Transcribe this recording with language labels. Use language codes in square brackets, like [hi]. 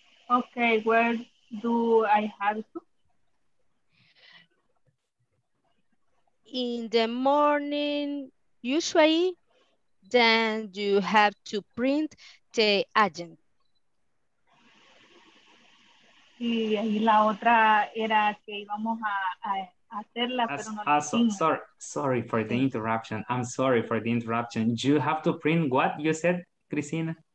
[en] Okay, where do I have to? In the morning, usually, then you have to print the agenda. [es] Y la otra era que íbamos a hacerla, pero no lo hicimos. [en] Sorry for the interruption. I'm sorry for the interruption. You have to print what you said, Cristina?